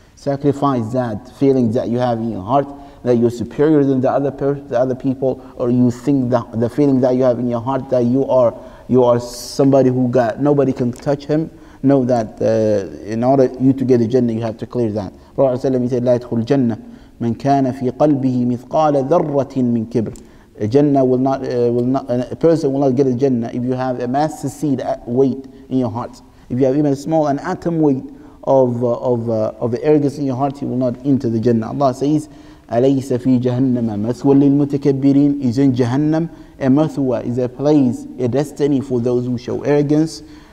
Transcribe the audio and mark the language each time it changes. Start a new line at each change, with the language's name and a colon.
English: Sacrifice that feeling that you have in your heart, that you're superior than the other people, or you think that the feeling that you have in your heart, that you are somebody who got, nobody can touch him. Know that in order you to get a Jannah, you have to clear that. Prophet ﷺ said,
Arabic: لا يدخل الجنة من كان في قلبه مثقال ذرة من كبر.
English: A Jannah will not a person will not get a Jannah if you have a massive seed weight in your heart. If you have even a small, an atom weight of arrogance in your heart, you will not enter the Jannah. Allah says,
Arabic: أَلَيْسَ فِي جَهَنَّمَ مَثْوًا لِلْمُتَكَبِّرِينَ
English: Is in Jahannam a mathwa, is a place, a destiny for those who show arrogance?